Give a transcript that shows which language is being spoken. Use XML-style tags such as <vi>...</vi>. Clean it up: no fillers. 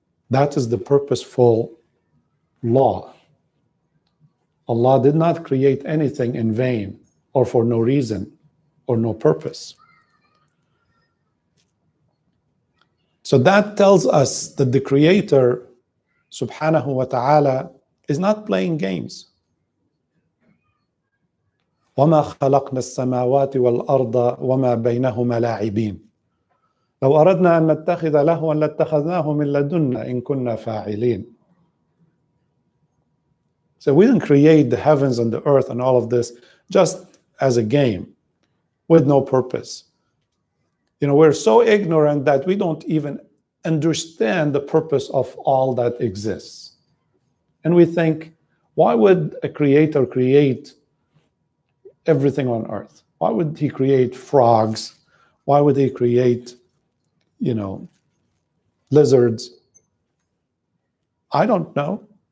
<en>That is the purposeful law. Allah did not create anything in vain, or for no reason, or no purpose. So that tells us that the Creator, subhanahu wa ta'ala, is not playing games.</en> <ar>وَمَا خَلَقْنَا السَّمَاوَاتِ وَالْأَرْضَ وَمَا بَيْنَهُمَا لَاعِبِينَ لَوْ أَرَدْنَا أَن نَتَّخِذَ لَهْوًا لَاتَّخَذْنَاهُ مِنْ لَدُنَّا إِن كُنَّا فَاعِلِينَ.</ar> <en>So we didn't create the heavens and the earth and all of this just as a game. with no purpose. You know, we're so ignorant that we don't even understand the purpose of all that exists. And we think, why would a creator create everything on earth? Why would he create frogs? Why would he create, you know, lizards? I don't know.</en>